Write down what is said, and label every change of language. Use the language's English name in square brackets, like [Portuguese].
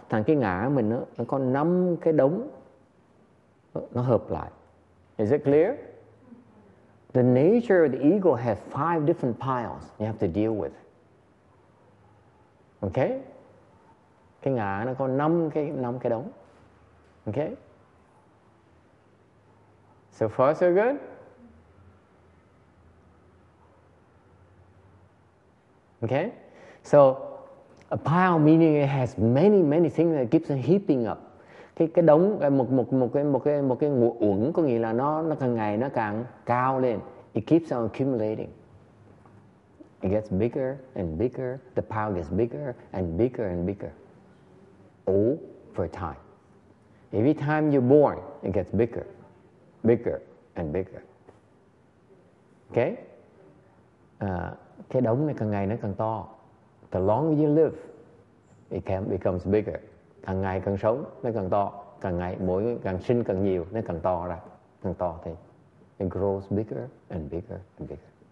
[Vietnamese] Thằng cái ngã mình nó có năm cái đống nó hợp lại. [English] Is it clear? The nature of the ego has five different piles you have to deal with. Okay? [Vietnamese] Cái ngã nó có năm cái đống. Okay? [English] So far so good? Okay, so a pile meaning it has many many things that keeps heaping up. [Vietnamese] Cái đống một cái uẩn có nghĩa là nó càng ngày nó càng cao lên. [English] It keeps on accumulating. It gets bigger and bigger. The pile gets bigger and bigger and bigger. All for time. Every time you're born, it gets bigger, bigger and bigger. Okay. [Vietnamese] Cái đống này càng ngày nó càng to. [English] The longer you live, it can becomes bigger. [Vietnamese] Càng ngày càng sống, nó càng to. Càng ngày mỗi càng sinh càng nhiều, nó càng to ra. Càng to thì [English] it grows bigger and bigger and bigger.